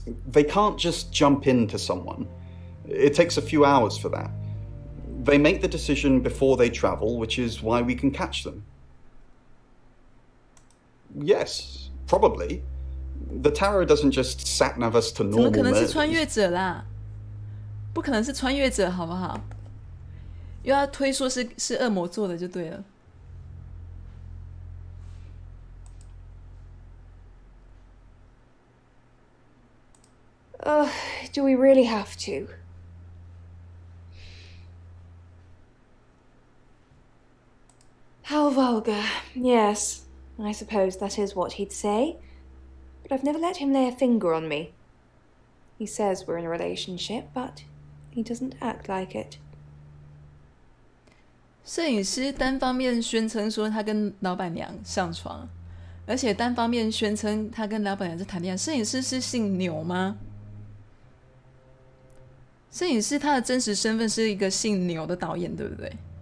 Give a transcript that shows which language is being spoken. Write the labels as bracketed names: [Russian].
[English] They can't just jump into someone. It takes a few hours for that. They make the decision before they travel, which is why we can catch them. Yes, probably. The tarot doesn't just sat-nav us to normal murders. [Chinese] 怎么可能是穿越者啦? 不可能是穿越者好不好?又要推说是恶魔做的就对了。 [English] Do we really have to? How vulgar. Yes, I suppose that is what he'd say. But I've never let him lay a finger on me. He says we're in a relationship, but he doesn't act like it. [Chinese] 摄影师单方面宣称说他跟老板娘上床，而且单方面宣称他跟老板娘在谈恋爱。摄影师是姓牛吗？摄影师他的真实身份是一个姓牛的导演，对不对？